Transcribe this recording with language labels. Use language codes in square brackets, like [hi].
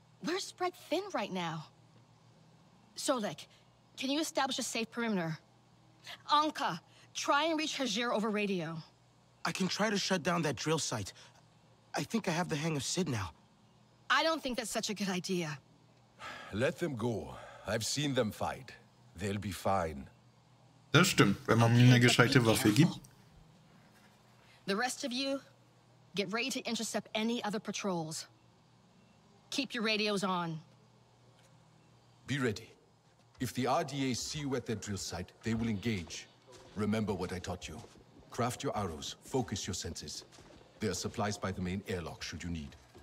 [en] We're spread thin right now. Solek, can you establish a safe perimeter? Anka, try and reach Hajir over radio. I can try to shut down that drill site. I think I have the hang of Cid now. I don't think that's such a good idea. Let them go. I've seen them fight. They'll be fine. [de] Das stimmt, wenn man mir eine gescheite Waffe gibt. [en] The rest of you, get ready to intercept any other patrols. Keep your radios on. Be ready. If the RDA see you at their drill site, they will engage. Remember what I taught you. Craft your arrows, focus your senses. There are supplies by the main airlock, should you need.